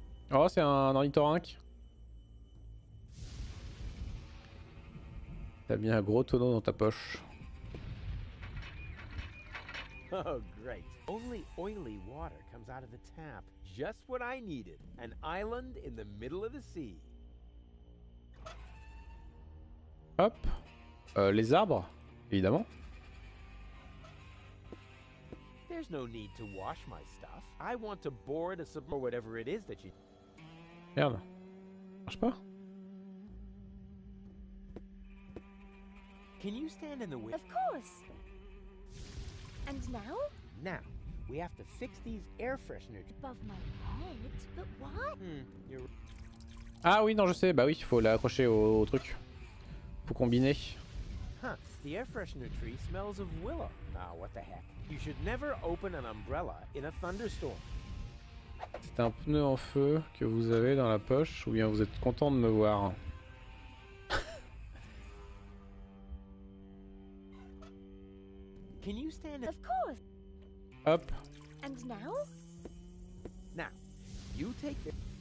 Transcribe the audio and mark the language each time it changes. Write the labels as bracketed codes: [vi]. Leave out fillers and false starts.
[fr] Oh, c'est un ornithorynque. T'as mis un gros tonneau dans ta poche. [en] Oh, great. Only oily water comes out of the tap. Just what I needed. An island in the middle of the sea. [fr] Hop, les arbres, évidemment. [en] There's no need to wash my stuff. I want to board a sub or whatever it is that you. [fr] Merde. Marche pas. [en] Can you stand in the way? Of course. And now? Now, we have to fix these air fresheners. Above my head? But what? [fr] Ah oui, non, je sais. Bah oui, il faut l'accrocher au truc. Faut combiner. [en] Huh, the air freshener tree smells of willow. Ah, what the heck. You should never open an umbrella in a thunderstorm. [fr] C'est un pneu en feu que vous avez dans la poche, ou bien vous êtes content de me voir? [en] Can you stand? Of course. Hop. And now? Now, you take the...